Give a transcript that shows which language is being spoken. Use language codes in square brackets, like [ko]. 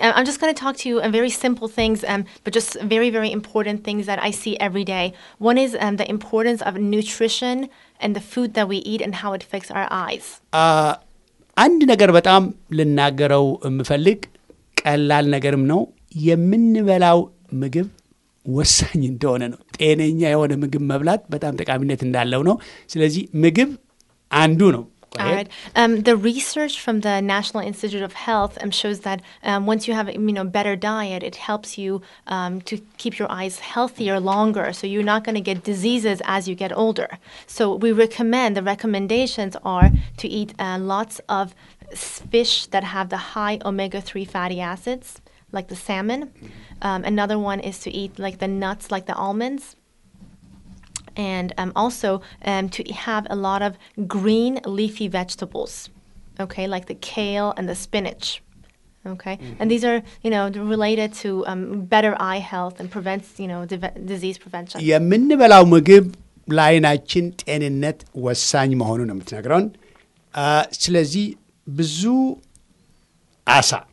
[en] I'm just going to talk to you on very simple things, but just very, very important things that I see every day. One is the importance of nutrition and the food that we eat and how it affects our eyes. [am] አንድ ነገር በጣም ልናገረው የምፈልግ ቀላል ነገርም ነው። የምንበላው ምግብ ወሳኝ እንደሆነ ነው። ጤነኛ የሆነ ምግብ መብላት በጣም ጠቃሚነት እንዳለው ነው። ስለዚህ ምግብ አንዱ ነው። [en] Right. The research from the National Institute of Health shows that once you have a better diet, it helps you to keep your eyes healthier longer. So you're not going to get diseases as you get older. So we recommend, the recommendations are to eat lots of fish that have the high omega-3 fatty acids, like the salmon. Another one is to eat like the nuts, like the almonds. And also to have a lot of green leafy vegetables, okay, like the kale and the spinach, okay? Mm-hmm. And these are, related to better eye health and prevents, disease prevention. [am] የምንበላው ምግብ ለአይናችን ጤንነት ወሳኝ መሆኑን ነው የምትነግረን። ስለዚህ ብዙ አሳ